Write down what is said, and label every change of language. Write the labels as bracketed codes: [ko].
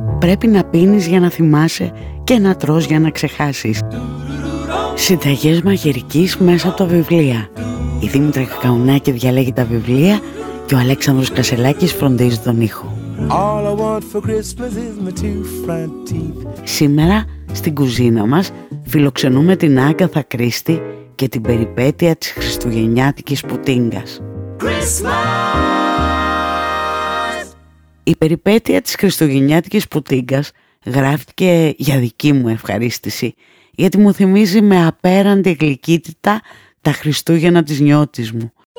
[el] πρέπει να πίνεις για να θυμάσαι και να τρως για να ξεχάσεις. Συνταγές μαγειρικής μέσα από τα βιβλία. Η Δήμητρα Κακαουνάκη διαλέγει τα βιβλία και ο Αλέξανδρος Κασελάκης φροντίζει τον ήχο. [en] All I want for Christmas is my two front teeth. [el] Σήμερα στην κουζίνα μας φιλοξενούμε την Άγκαθα Κρίστη και την περιπέτεια της χριστουγεννιάτικης πουτίνγκας. Η περιπέτεια της χριστουγεννιάτικης πουτίνγκας γράφτηκε για δική μου ευχαρίστηση, γιατί μου θυμίζει με απέραντη γλυκύτητα τα Χριστούγεννα της νιώτης μου.